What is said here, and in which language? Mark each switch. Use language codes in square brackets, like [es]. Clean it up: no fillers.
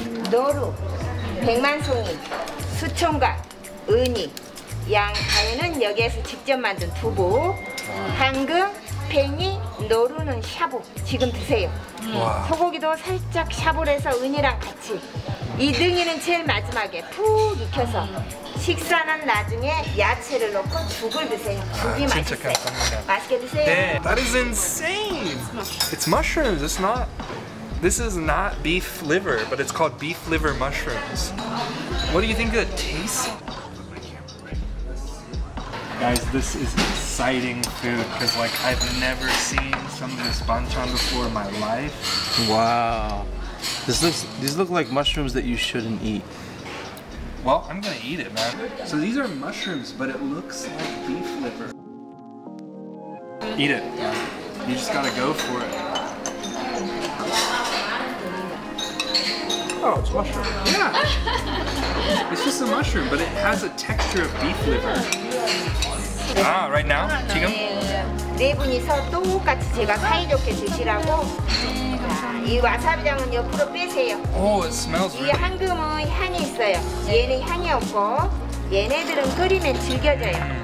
[ko] 노루 백만송이 수총각 은이 양가위는 여기에서 직접 만든 두부 황금 팽이 노루는 샤브 지금 드세요 소고기도 살짝 샤브를 해서 은이랑 같이 이 능이는 제일 마지막에 푹 익혀서 식사는 나중에 야채를 넣고 죽을 드세요 죽이 맛있어요 맛있게 드세요 네. [en] That is insane! It's mushrooms, it's not... This is not beef liver, but it's called beef liver mushrooms. What do you think of the taste? Guys, this is exciting food because like I've never seen some of this banchan before in my life. Wow. This looks, these look like mushrooms that you shouldn't eat. Well, I'm gonna eat it, man. So these are mushrooms, but it looks like beef liver. Eat it. Man. You just gotta go for it. Oh, it's mushroom. Yeah. It's just a mushroom, but it has a texture of beef liver. Ah, right now? [ko] 지금? 네 분이서 똑같이 제가 사이좋게 드시라고. 이 와사비장은 옆으로 빼세요. [en] Oh, it smells good. [ko] 이 황금은 향이 있어요. 얘는 향이 없고, 얘네들은 끓이면 질겨져요.